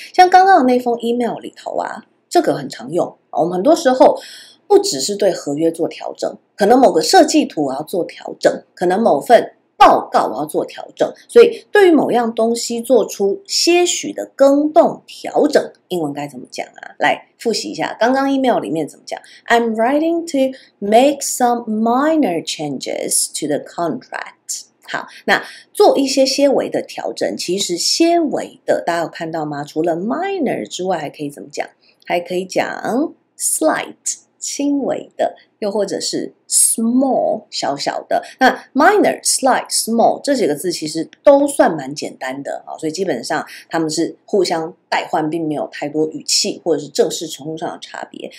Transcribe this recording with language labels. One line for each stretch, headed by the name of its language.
Chinese: 像刚刚的那封 email 里头啊，这个很常用，我们很多时候不只是对合约做调整，可能某个设计图我要做调整，可能某份报告我要做调整，所以对于某样东西做出些许的更动调整，英文该怎么讲啊？来复习一下刚刚 email 里面怎么讲。
English: I'm writing to make some minor changes to the contract。
Chinese: 好，那做一些些微的调整，其实些微的大家有看到吗？除了 minor 之外还可以怎么讲？还可以讲 slight，轻微的，又或者是 small， 小小的。那 minor、 slight、 small 这几个字其实都算蛮简单的，所以基本上他们是互相代换，并没有太多语气或者是正式程度上的差别。